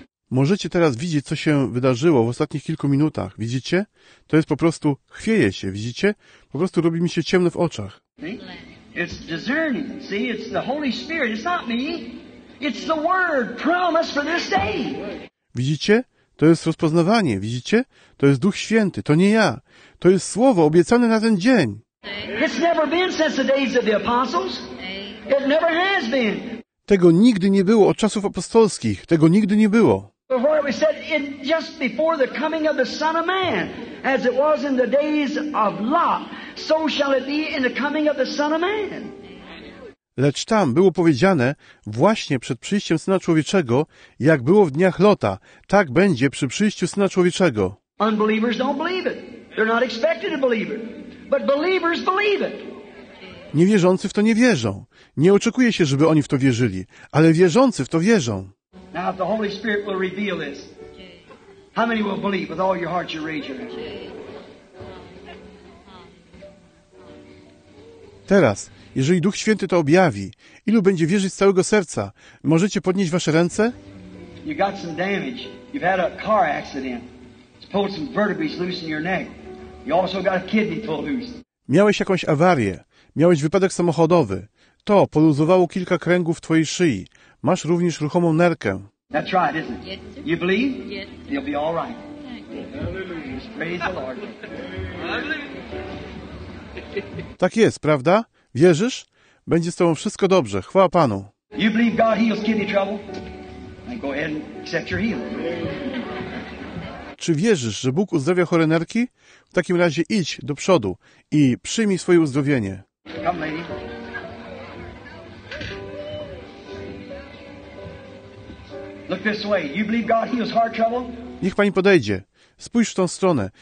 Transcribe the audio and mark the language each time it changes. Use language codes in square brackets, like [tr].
[pl] Możecie teraz widzieć, co się wydarzyło w ostatnich kilku minutach. Widzicie? To jest po prostu... Chwieje się, widzicie? Po prostu robi mi się ciemno w oczach. [en] It's discerning. See, it's the Holy Spirit. It's not me. It's the word promised for this day. [pl] Widzicie? To jest rozpoznawanie. Widzicie? To jest Duch Święty. To nie ja. To jest słowo obiecane na ten dzień. [en] It's never been since the days of the apostles. It never has been. [pl] Tego nigdy nie było od czasów apostolskich. Tego nigdy nie było. [en] Before we said it, just before the coming of the Son of Man, as it was in the days of Lot, so shall it be in the coming of the Son of Man. [pl] Lecz tam było powiedziane, właśnie przed przyjściem Syna Człowieczego, jak było w dniach Lota, tak będzie przy przyjściu Syna Człowieczego. [en] Unbelievers don't believe it. They're not expected to believe it. But believers believe it. [pl] Niewierzący w to nie wierzą. Nie oczekuje się, żeby oni w to wierzyli, ale wierzący w to wierzą. [en] Now if the Holy Spirit will reveal this, how many will believe with all your heart you raise your hand? [pl] Teraz, jeżeli Duch Święty to objawi, ilu będzie wierzyć z całego serca? Możecie podnieść wasze ręce? [en] You got some damage. You've had a car accident. It's pulled some vertebrae loose in your neck. You also got a kidney pulled loose. [pl] Miałeś jakąś awarię. Miałeś wypadek samochodowy. To poluzowało kilka kręgów w twojej szyi. Masz również ruchomą nerkę. [en] That's right, isn't it? Yes, sir. You believe? Yes. You'll be all right. Hallelujah. Praise the Lord. [pl] Tak jest, prawda? Wierzysz? Będzie z tobą wszystko dobrze. Chwała Panu. [en] You believe God heals kidney trouble? Then go ahead and accept your healing. [pl] Czy wierzysz, że Bóg uzdrawia chore nerki? W takim razie idź do przodu i przyjmij swoje uzdrowienie. [en] Come, lady. Look this way. You believe God heals heart trouble? [pl] Niech pani podejdzie. Spójrz w tą stronę.